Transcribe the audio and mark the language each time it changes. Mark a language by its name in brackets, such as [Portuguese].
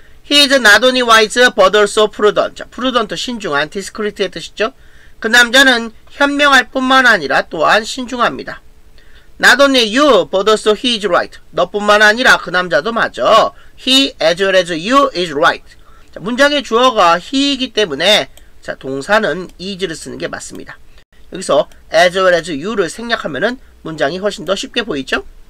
[English] He is not only wise but also prudent. [Korean] 자, prudent, 신중한, discreet의 뜻이죠. 그 남자는 현명할 뿐만 아니라 또한 신중합니다. [English] Not only you, but also he is right. [Korean] 너뿐만 아니라 그 남자도 맞아. [English] He as well as you is right. [Korean] 자, 문장의 주어가 he이기 때문에 자, 동사는 is를 쓰는 게 맞습니다. 여기서 [English] as well as you [Korean] 를 생략하면은 문장이 훨씬 더 쉽게 보이죠?